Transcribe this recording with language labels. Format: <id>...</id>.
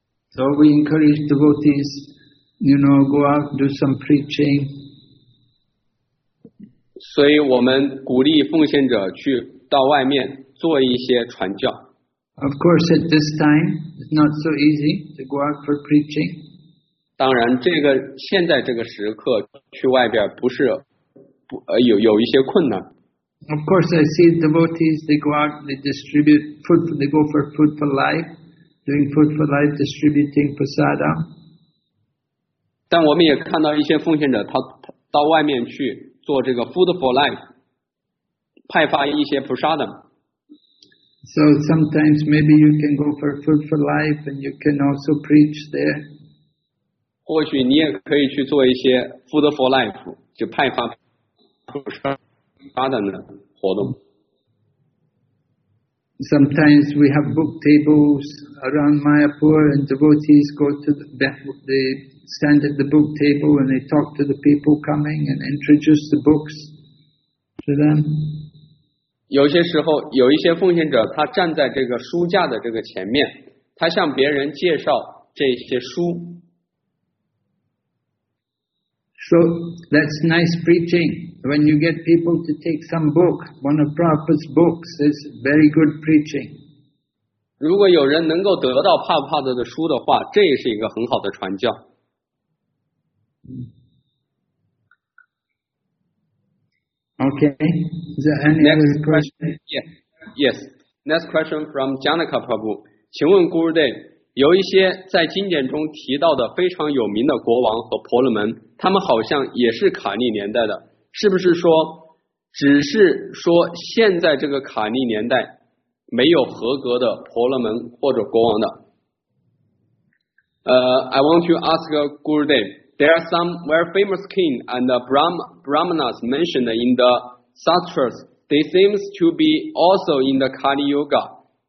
<en>So we encourage devotees, you know, go out, do some preaching.</en> <zh>所以我们鼓励奉献者去到外面做一些传教。</zh> <en>Of course, at this time, it's not so easy to go out for preaching.</en> <zh>当然，这个现在这个时刻去外边不是不有一些困难。</zh> <en>Of course, I see devotees. They go out. They distribute food. They go for food for life, doing food for life, distributing prasada.</en> <zh>但我们也看到一些奉献者，他到外面去做这个 food for life, 派发一些 prasada.</zh> <en>So sometimes maybe you can go for food for life, and you can also preach there.</en> <zh>或许你也可以去做一些 food for life, 就派发发的活动。</zh> <en>Sometimes we have book tables around Mayapur and devotees go to they stand at the book table and they talk to the people coming and introduce the books to them.</en> <zh>有些时候有一些奉献者他站在这个书架的这个前面，他向别人介绍这些书。</zh> <en>So that's nice preaching. When you get people to take some book, one of Prabhupada's books is very good preaching.</en> <zh>如果有人能够得到帕帕德的书的话，这也是一个很好的传教。</zh> <en>Okay. Is there any next other question? Yes. Next question from Janaka Prabhu.</en> <zh>请问 Gurudev, 有一些在经典中提到的非常有名的国王和婆罗门。他们好像也是卡利年代的，是不是说只是说现在这个卡利年代没有合格的婆罗门或者国王的？</zh> <en>I want to ask Gurudev, there are some very famous king and Brahmanas mentioned in the sutras. They seems to be also in the Kali Yuga.</en>